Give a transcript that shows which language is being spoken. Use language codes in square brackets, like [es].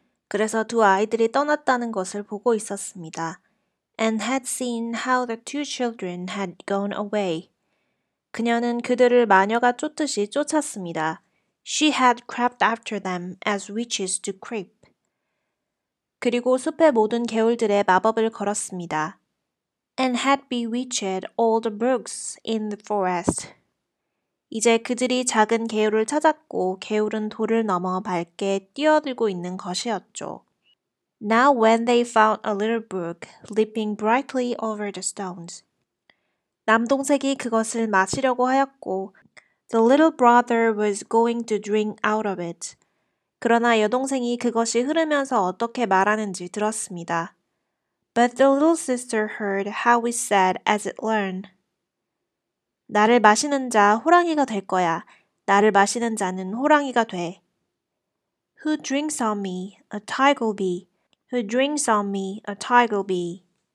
[ko] 그래서 두 아이들이 떠났다는 것을 보고 있었습니다. [en] And had seen how the two children had gone away. [ko] 그녀는 그들을 마녀가 쫓듯이 쫓았습니다. [en] She had crept after them as witches do creep. [ko] 그리고 숲의 모든 개울들에 마법을 걸었습니다. [en] And had bewitched all the brooks in the forest. [ko] 이제 그들이 작은 개울을 찾았고, 개울은 돌을 넘어 밝게 뛰어들고 있는 것이었죠. [en] Now when they found a little brook leaping brightly over the stones. [ko] 남동생이 그것을 마시려고 하였고, [en] The little brother was going to drink out of it. [ko] 그러나 여동생이 그것이 흐르면서 어떻게 말하는지 들었습니다. [en] But the little sister heard how it said as it learned. [ko] 나를 마시는 자 호랑이가 될 거야. 나를 마시는 자는 호랑이가 돼. [en] Who drinks on me, a tiger will be. Who drinks on me, a tiger will be.